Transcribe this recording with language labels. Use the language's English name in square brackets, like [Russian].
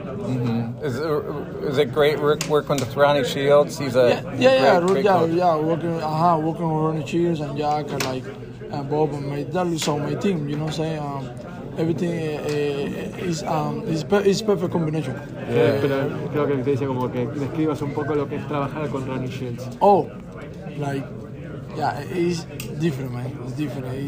[English] Mm-hmm. Is it great working with Ronnie Shields? He's a working with Ronnie Shields and Jack and like and Bob and my dad is on my team. You know, saying. Everything is perfect combination. [Spanish] Yeah, pero creo que te dice como que describas un poco lo que es trabajar con Ronnie Shields. [English] Oh, like, yeah, it's different, man. It's different.